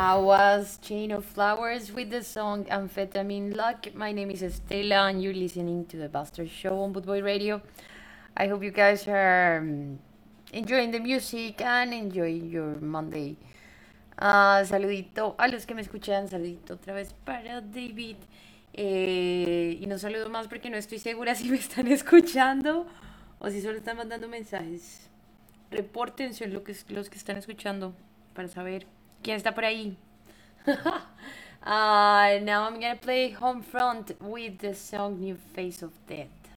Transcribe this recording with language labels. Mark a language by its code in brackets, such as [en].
[en] was Chain of Flowers with the song Amphetamine Luck. My name is Stella and you're listening to the Bastard Show on Boot Boy Radio. I hope you guys are enjoying the music and enjoying your Monday. [es] Saludito a los que me escuchan, saludito otra vez para David. Y no saludo más porque no estoy segura si me están escuchando o si solo están mandando mensajes. Repórtense los que están escuchando para saber. ¿Quién está por ahí? [en] Now I'm gonna play Homefront with the song New Face of Death.